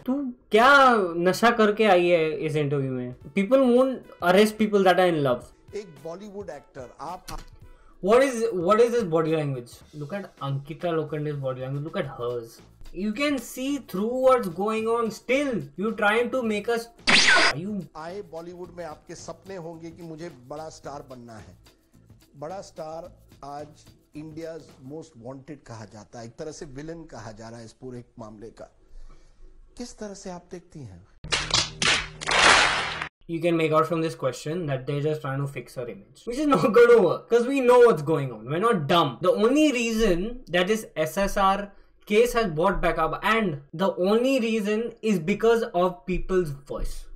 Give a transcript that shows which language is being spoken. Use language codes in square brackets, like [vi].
[hi] Tu kya nasha karke aayi hai is interview mein? [en] People won't arrest people that are in love. [hi] Ek Bollywood actor, aap. [en] What is his body language? Look at Ankita Lokhande's body language. Look at hers. You can see through what's going on. Still, you're trying to make us. [hi] I Bollywood में आपके सपने होंगे कि मुझे बड़ा star बनना है. बड़ा स्टार आज [en] India's most wanted [hi] कहा जाता है. एक तरह से विलन कहा जा रहा है इस पूरे एक मामले का. किस तरह से आप देखती हैं? [en] You can make out from this question that they're just trying to fix her image, which is not going to work because we know what's going on. We're not dumb. The only reason that this SSR case has brought back up, and the only reason, is because of people's voice.